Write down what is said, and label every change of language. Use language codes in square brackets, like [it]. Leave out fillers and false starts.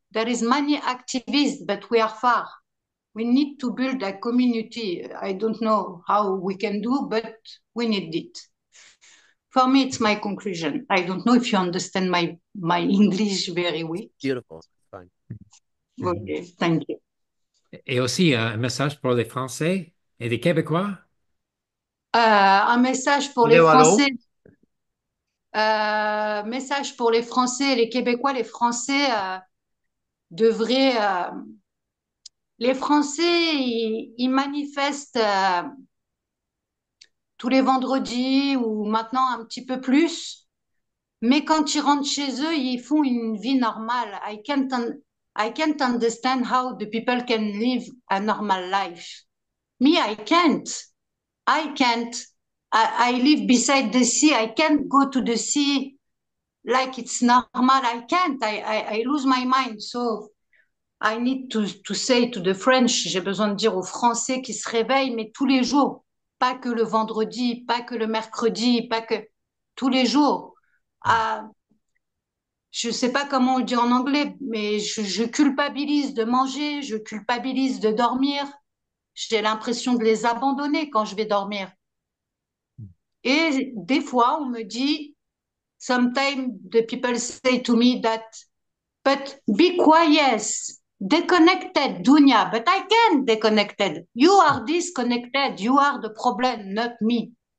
[en] There is many activists, but we are far. We need to build a community. I don't know how we can do, but we need it. For me, it's my conclusion. I don't know if you understand my English very well. Beautiful. Fine. Okay, thank you. [fr] Et aussi un message pour les Français et les Québécois. Un message pour les Français. Message pour les Français et les Québécois. Les Français devraient. Les Français, ils manifestent tous les vendredis ou maintenant un petit peu plus. Mais quand ils rentrent chez eux, ils font une vie normale. [en] I can't understand how the people can live a normal life. Me, I can't. I live beside the sea. I can't go to the sea like it's normal. I can't. I lose my mind. So I need to say to the French, [fr] j'ai besoin de dire aux Français qui se réveillent, mais tous les jours, pas que le vendredi, pas que le mercredi, pas que tous les jours. Je sais pas comment on le dit en anglais, mais je culpabilise de manger, je culpabilise de dormir. J'ai l'impression de les abandonner quand je vais dormir. Et des fois, on me dit, [en] sometimes the people say to me that, but be quiet, disconnected, Dounia, but I can't disconnected. You are disconnected, you are the problem, not me.